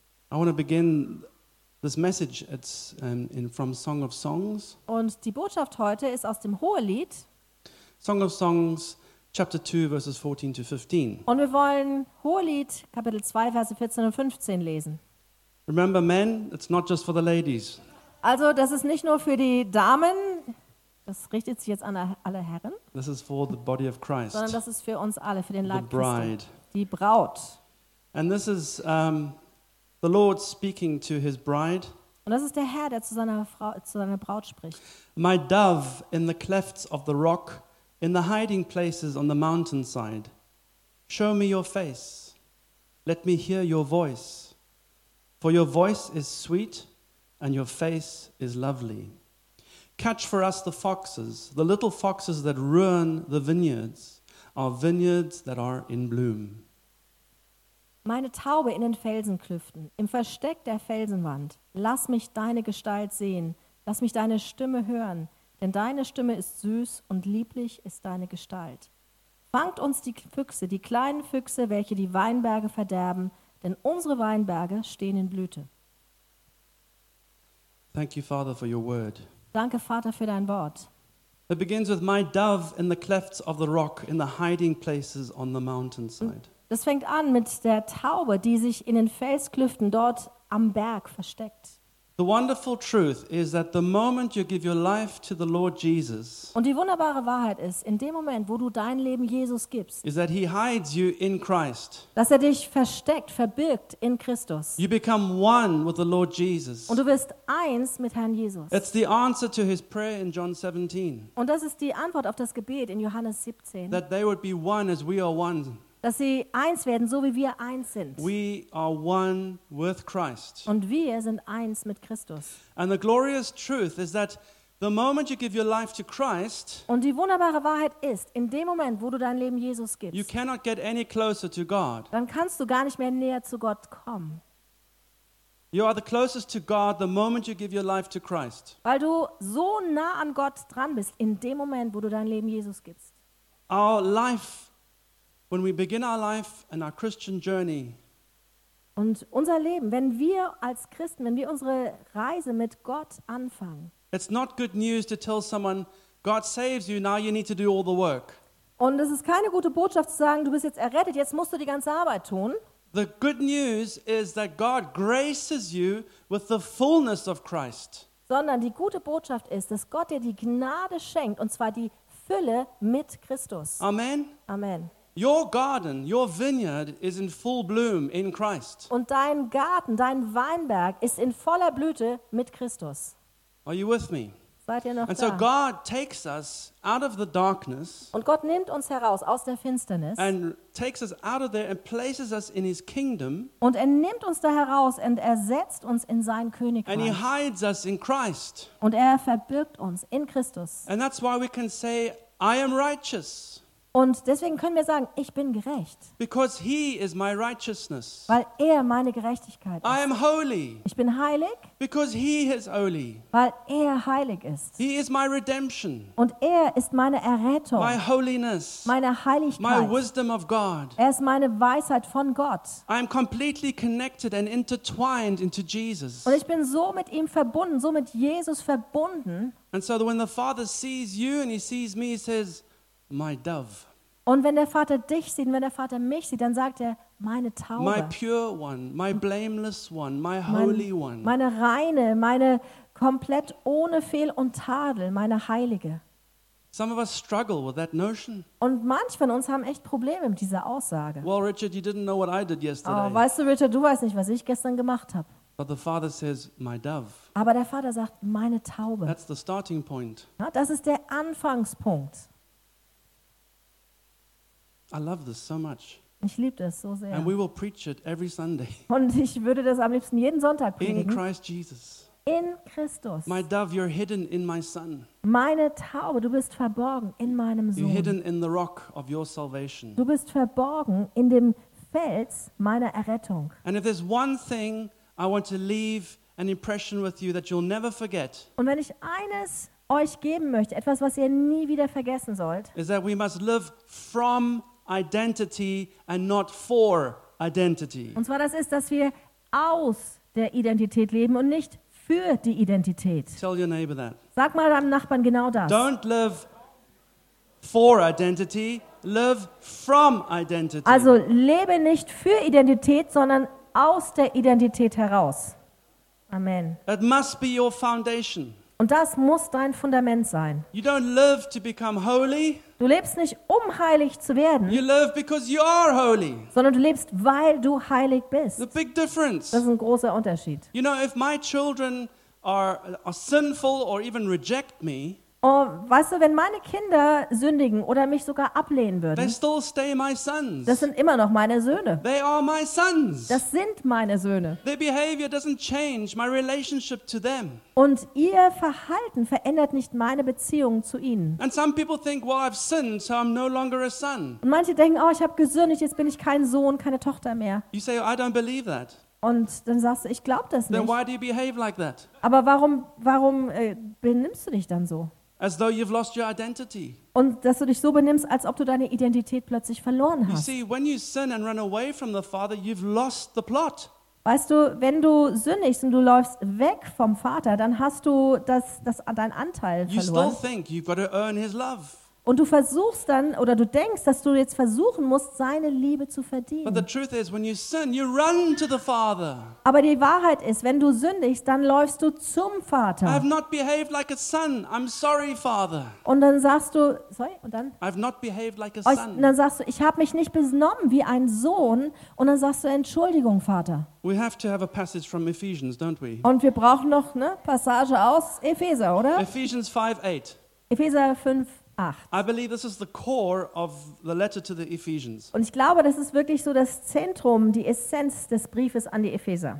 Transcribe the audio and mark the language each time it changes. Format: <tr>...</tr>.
<en>I want to begin this message. It's from Song of Songs.</en> <de>Und die Botschaft heute ist aus dem Hohelied.</de> <en>Song of Songs, chapter 2, verses 14 to 15.</en> <de>Und wir wollen Hohelied, Kapitel 2, Verse 14 und 15 lesen.</de> <en>Remember, men, it's not just for the ladies.</en> <de>Also, das ist nicht nur für die Damen. Das richtet sich jetzt an alle Herren.</de> <en>This is for the body of Christ.</en> <de>Sondern das ist für uns alle, für den Leib</de> <en>Christi. The bride.</en> <de>Die Braut.</de> <en>And this is the Lord speaking to his bride.</en> <de>Und das ist der Herr, der zu seiner Frau, zu seiner Braut spricht.</de> <en>My dove in the clefts of the rock, in the hiding places on the mountainside. Show me your face. Let me hear your voice. For your voice is sweet and your face is lovely. Catch for us the foxes, the little foxes that ruin the vineyards, our vineyards that are in bloom.</en> <de>Meine Taube in den Felsenklüften, im Versteck der Felsenwand, lass mich deine Gestalt sehen, lass mich deine Stimme hören, denn deine Stimme ist süß und lieblich ist deine Gestalt. Fangt uns die Füchse, die kleinen Füchse, welche die Weinberge verderben, denn unsere Weinberge stehen in Blüte.</de> <en>Thank you, Father, for your word.</en> <de>Danke, Vater, für dein Wort.</de> <en>It begins with my dove in the clefts of the rock, in the hiding places on the mountainside.</en> <de>Das fängt an mit der Taube, die sich in den Felsklüften dort am Berg versteckt.</de> <en>The wonderful truth is that the moment you give your life to the Lord Jesus.</en> <de>Und die wunderbare Wahrheit ist, in dem Moment, wo du dein Leben Jesus gibst.</de> <en>Is that he hides you in Christ.</en> <de>Dass er dich versteckt, verbirgt in Christus.</de> <en>You become one with the Lord Jesus.</en> <de>Und du wirst eins mit Herrn Jesus.</de> <en>It's the answer to his prayer in John 17.</en> <de>Und das ist die Antwort auf das Gebet in Johannes 17.</de> <en>That they would be one as we are one.</en> <de>Dass sie eins werden, so wie wir eins sind.</de> <en>We are one with Christ.</en> <de>Und wir sind eins mit Christus.</de> <en>And the glorious truth is that the moment you give your life to Christ.</en> <de>Und die wunderbare Wahrheit ist, in dem Moment, wo du dein Leben Jesus gibst.</de> <en>You cannot get any closer to God.</en> <de>Dann kannst du gar nicht mehr näher zu Gott kommen.</de> <en>You are the closest to God the moment you give your life to Christ.</en> <de>Weil du so nah an Gott dran bist, in dem Moment, wo du dein Leben Jesus gibst.</de> <en>Our life. When we begin our life and our Christian journey.</en> <de>Und unser Leben, wenn wir als Christen, wenn wir unsere Reise mit Gott anfangen.</de> <en>It's not good news to tell someone God saves you, now you need to do all the work.</en> <de>Und es ist keine gute Botschaft zu sagen, du bist jetzt errettet, jetzt musst du die ganze Arbeit tun.</de> <en>The good news is that God graces you with the fullness of Christ.</en> <de>Sondern die gute Botschaft ist, dass Gott dir die Gnade schenkt und zwar die Fülle mit Christus.</de> <en>Amen.</en> <de>Amen.</de> <en>Your garden, your vineyard is in full bloom in Christ.</en> <de>Und dein Garten, dein Weinberg ist in voller Blüte mit Christus.</de> <en>Are you with me?</en> <de>Seid ihr noch</de> <en>and</en> <de>da?</de> <en>So God takes us out of the darkness.</en> <de>Und Gott nimmt uns heraus aus der Finsternis.</de> <en>And takes us out of there and places us in his kingdom.</en> <de>Und er nimmt uns da heraus und er setzt uns in sein Königreich.</de> <en>And he hides us in Christ.</en> <de>Und er verbirgt uns in Christus.</de> <en>And that's why we can say I am righteous.</en> <de>Und deswegen können wir sagen, ich bin gerecht.</de> <en>Because he is my righteousness.</en> <de>Weil er meine Gerechtigkeit ist.</de> <en>I am holy.</en> <de>Ich bin heilig.</de> <en>Because he is holy.</en> <de>Weil er heilig ist.</de> <en>He is my redemption.</en> <de>Und er ist meine Errettung.</de> <en>My holiness.</en> <de>Meine Heiligkeit.</de> <en>My wisdom of God.</en> <de>Er ist meine Weisheit von Gott.</de> <en>I am completely connected and intertwined into Jesus.</en> <de>Und ich bin so mit ihm verbunden, so mit Jesus verbunden.</de> <en>And so when the Father sees you and he sees me, he says, my dove.</en> <de>Und wenn der Vater dich sieht, wenn der Vater mich sieht, dann sagt er, meine Taube.</de> <en>My pure one, my blameless one, my holy one.</en> <de>Meine reine, meine komplett ohne Fehl und Tadel, meine heilige.</de> <en>Some of us struggle with that notion.</en> <de>Und manche von uns haben echt Probleme mit dieser Aussage.</de> <en>Well, Richard, you didn't know what I did yesterday.</en> <de>Oh, weißt du, Richard, du weißt nicht, was ich gestern gemacht habe.</de> <en>But the Father says, my dove.</en> <de>Aber der Vater sagt, meine Taube.</de> <en>That's the starting point.</en> <de>Ja, das ist der Anfangspunkt.</de> <en>I love this so much.</en> <de>Ich liebe das so sehr.</de> <en>And we will preach it every Sunday.</en> <de>Und ich würde das am liebsten jeden Sonntag predigen.</de> <en>In Christ Jesus.</en> <de>In Christus.</de> <en>My dove, you're hidden in my son.</en> <de>Meine Taube, du bist verborgen in meinem Sohn.</de> <en>You're hidden in the rock of your salvation.</en> <de>Du bist verborgen in dem Fels meiner Errettung.</de> <en>And if there's one thing I want to leave an impression with you that you'll never forget.</en> <de>Und wenn ich eines euch geben möchte, etwas, was ihr nie wieder vergessen sollt.</de> <en>Is that we must live from identity and not for identity.</en> <de>Und zwar das ist, dass wir aus der Identität leben und nicht für die Identität.</de> <en>Tell your neighbor that.</en> <de>Sag mal deinem Nachbarn genau das.</de> <en>Don't live for identity, live from identity.</en> <de>Also lebe nicht für Identität, sondern aus der Identität heraus.</de> <en>Amen. It must be your foundation.</en> <de>Und das muss dein Fundament sein.</de> <en>You don't live to become holy.</en> <de>Du lebst nicht, um heilig zu werden.</de> <en>You live because you are holy.</en> <de>Sondern du lebst, weil du heilig bist.</de> <en>The big difference.</en> <de>Das ist ein großer Unterschied.</de> <en>You know, if my children are sinful or even reject me.</en> <de>Oh, weißt du, wenn meine Kinder sündigen oder mich sogar ablehnen würden,</de> <en>they still stay my sons.</en> <de>Das sind immer noch meine Söhne.</de> <en>They are my sons.</en> <de>Das sind meine Söhne.</de> <en>Their behavior doesn't change my relationship to them.</en> <de>Und ihr Verhalten verändert nicht meine Beziehung zu ihnen.</de> <en>And some people think, well, I've sinned, so I'm no longer a son.</en> <de>Und manche denken, oh, ich habe gesündigt, jetzt bin ich kein Sohn, keine Tochter mehr.</de> <en>You say, I don't believe that.</en> <de>Und dann sagst du, ich glaube das nicht.</de> <en>Then why do you behave like that?</en> <de>Aber warum benimmst du dich dann so?</de> <en>As though you've lost your identity.</en> <de>Und dass du dich so benimmst, als ob du deine Identität plötzlich verloren hast.</de> <en>You see, when you sin and run away from the Father, you've lost the plot.</en> <de>Weißt du, wenn du sündigst und du läufst weg vom Vater, dann hast du das dein Anteil verloren.</de> <en>You still think you've got to earn his love.</en> <de>Und du versuchst dann, oder du denkst, dass du jetzt versuchen musst, seine Liebe zu verdienen.</de> <en>But the truth is, when you sin, you run to the Father.</en> <de>Aber die Wahrheit ist, wenn du sündigst, dann läufst du zum Vater.</de> <en>I have not behaved like a son. I'm sorry, Father.</en> <de>Und dann sagst du, sorry, und dann?</de> <en>I have not behaved like a son.</en> <de>Und dann sagst du, ich habe mich nicht benommen wie ein Sohn. Und dann sagst du, Entschuldigung, Vater.</de> <en>We have to have a passage from Ephesians, don't we?</en> <de>Und wir brauchen noch eine Passage aus Epheser, oder?</de> <en>Ephesians 5:8.</en> <de>Epheser 5.</de> <en>I believe this is the core of the letter to the Ephesians.</en> <de>Und ich glaube, das ist wirklich so das Zentrum, die Essenz des Briefes an die Epheser.</de>